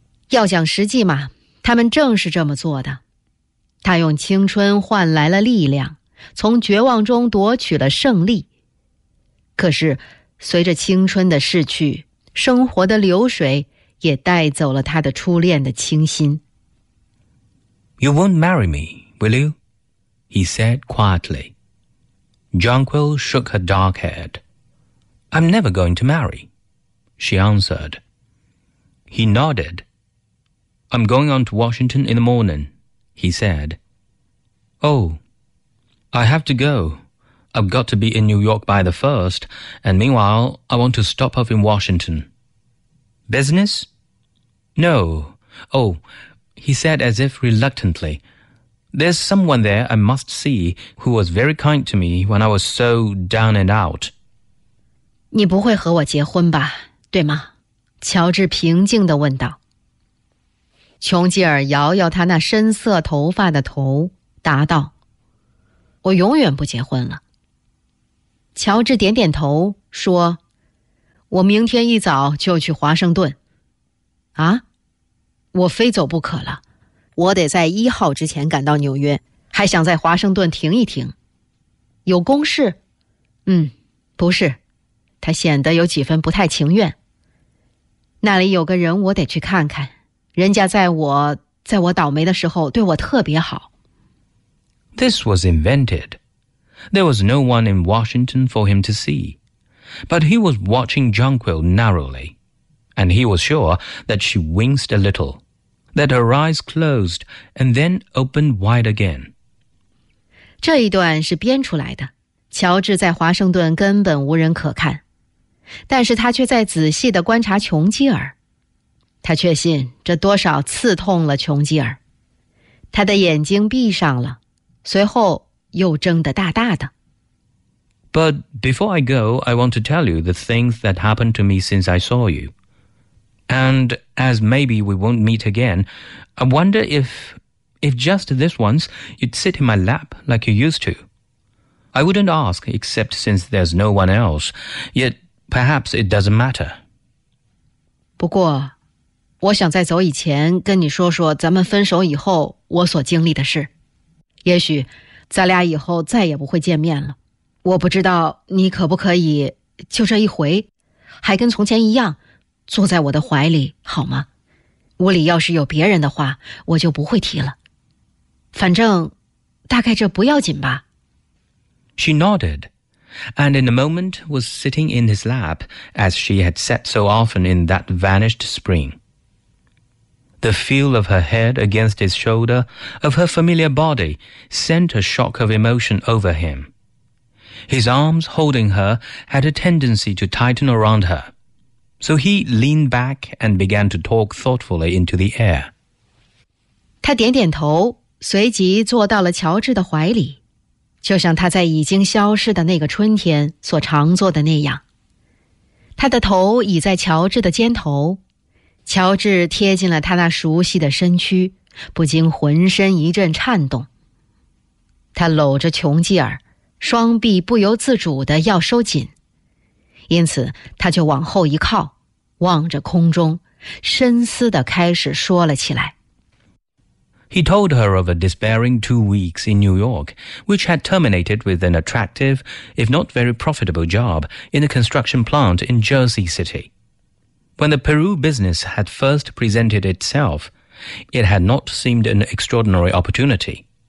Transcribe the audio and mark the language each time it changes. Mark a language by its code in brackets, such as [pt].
[zh] 要讲实际嘛，他们正是这么做的。他用青春换来了力量，从绝望中夺取了胜利。可是随着青春的逝去，生活的流水也带走了他的初恋的清新。 [en] You won't marry me, will you? He said quietly. Jonquil shook her dark head. I'm never going to marry, she answered. He nodded. I'm going on to Washington in the morning, he said. Oh, I have to go. I've got to be in New York by the first, and meanwhile, I want to stop off in Washington. Business? No. Oh, he said as if reluctantly, there's someone there I must see who was very kind to me when I was so down and out. [zh] 你不会和我结婚吧，对吗？乔治平静地问道。琼吉尔摇摇他那深色头发的头，答道，我永远不结婚了。乔治点点头，说，我明天一早就去华盛顿。啊，我非走不可了，我得在一号之前赶到纽约，还想在华盛顿停一停。有公事？嗯，不是，他显得有几分不太情愿。那里有个人我得去看看，人家在我倒霉的时候对我特别好。 [en] This was invented. There was no one in Washington for him to see. But he was watching Jonquil narrowly. And he was sure that she winced a little, that her eyes closed and then opened wide again. [zh] 这一段是编出来的，乔治在华盛顿根本无人可看，但是他却在仔细地观察琼基尔。他确信这多少刺痛了琼基尔。他的眼睛闭上了，随后又睁得大大的。 [en] But before I go, I want to tell you the things that happened to me since I saw you. And as maybe we won't meet again, I wonder if just this once you'd sit in my lap like you used to. I wouldn't ask, except since there's no one else. Yet, perhaps it doesn't matter. [zh] 不过，我想在走以前跟你说说咱们分手以后我所经历的事。也许，咱俩以后再也不会见面了。我不知道你可不可以就这一回，还跟从前一样坐在我的怀里好吗？屋里要是有别人的话，我就不会提了。反正大概这不要紧吧。 [en] She nodded, and in a moment was sitting in his lap as she had sat so often in that vanished spring. The feel of her head against his shoulder, of her familiar body, sent a shock of emotion over him. His arms holding her had a tendency to tighten around her. So he leaned back and began to talk thoughtfully into the air. [zh] 他点点头，随即坐到了乔治的怀里，就像他在已经消失的那个春天所常做的那样。他的头倚在乔治的肩头，乔治贴近了他那熟悉的身躯，不禁浑身一阵颤动。他搂着琼吉尔，双臂不由自主地要收紧。因此他就往后一靠，望着空中，深思地开始说了起来。 [en] He told her of a despairing 2 weeks in New York, which had terminated with an attractive, if not very profitable job, in a construction plant in Jersey City. When the Peru business had first presented itself, it had not seemed an extraordinary opportunity.